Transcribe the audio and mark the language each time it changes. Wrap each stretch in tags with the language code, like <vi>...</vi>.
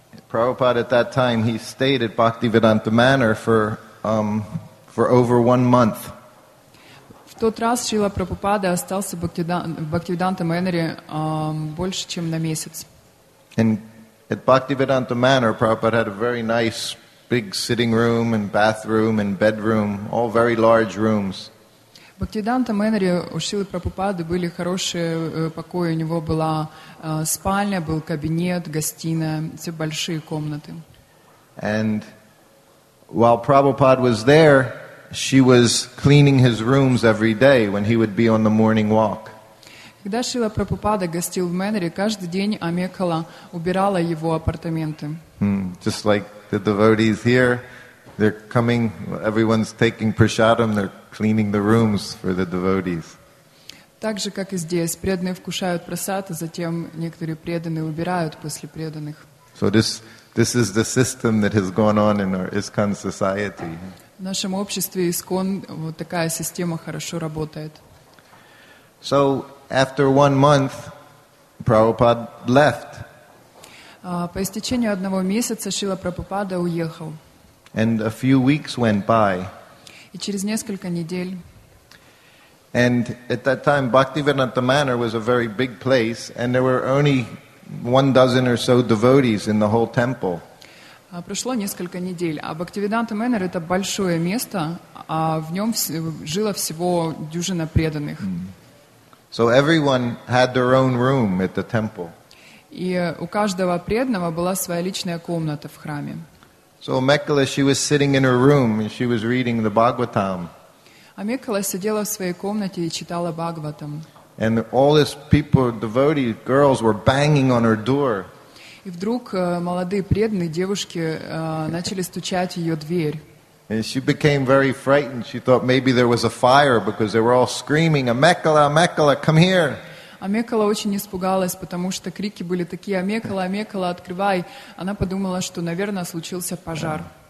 <en>Prabhupada at that time, he stayed at Bhaktivedanta Manor for over one month.</en> <ru>В тот раз Шрила Прабхупада остался в Бхактивиданта Мэнере больше, чем на месяц.</ru> <en>And at Bhaktivedanta Manor, Prabhupada had a very nice big sitting room and bathroom and bedroom, all very large rooms.</en> <ru>В Бхактивиданта Мэнере у Шрилы Прабхупады были хорошие покои. У него была спальня, был кабинет, гостиная, все большие комнаты.</ru> <en>And while Prabhupada was there, she was cleaning his rooms every day when he would be on the morning walk.</en> <ru>Когда Шрила Прабхупада гостил в Мэнере, каждый день Амекала убирала его апартаменты.</ru> <en>Just like the devotees here, they're coming, everyone's taking prasadam, they're cleaning the rooms for the devotees.</en> <ru>Так же, как и здесь, преданные вкушают прасад, а затем некоторые преданные убирают после преданных.</ru> <en>So this is the system that has gone on in our ISKCON society.</en> <ru>В нашем обществе ИСКОН вот такая система хорошо работает.</ru> <en>So after one month, Prabhupada left.</en> <ru>По истечению одного месяца Шрила Прабхупада уехал.</ru> <en>And a few weeks went by.</en> <ru>И через несколько недель.</ru> <en>And at that time, Bhaktivedanta Manor was a very big place, and there were only one dozen or so devotees in the whole temple.</en> <ru>Прошло несколько недель, а Бхактивиданта Мэнер — это большое место, а в нем жило всего дюжина преданных.</ru> <en>So everyone had their own room at the temple.</en> <ru>И у каждого преданного была своя личная комната в храме.</ru> <en>So Amekala, she was sitting in her room and she was reading the Bhagavatam.</en> <ru>Амекала сидела в своей комнате и читала Бхагаватам.</ru> <en>And all these people, devotees, girls were banging on her door.</en> <ru>И вдруг молодые преданные девушки начали стучать ее дверь.</ru> <en>And she became very frightened. She thought maybe there was a fire because they were all screaming, Amekala, Amekala, come here.</en> <ru>Амекала очень испугалась, потому что крики были такие: «Амекала, Амекала, открывай!» Она подумала, что, наверное, случился пожар.</ru>